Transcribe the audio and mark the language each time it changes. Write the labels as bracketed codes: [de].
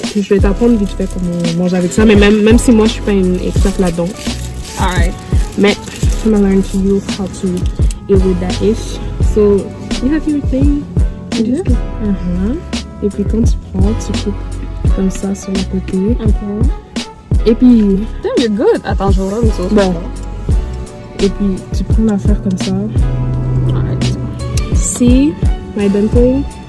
[fr] Je vais t'apprendre vite fait comment manger avec ça. Mais même si moi, je suis pas une experte là-dedans. [en] Alright. Mais, I'm gonna learn to you how to eat with that ish. So, you have your thing. [fr] Et puis quand tu prends, tu coupes comme ça sur le côté. [en] Okay. [fr] Et puis. [en] Damn, you're good! [fr] Attends, je vois une sauce. Bon. Et puis tu prends l'affaire comme ça. [en] Alright. See my dumpling?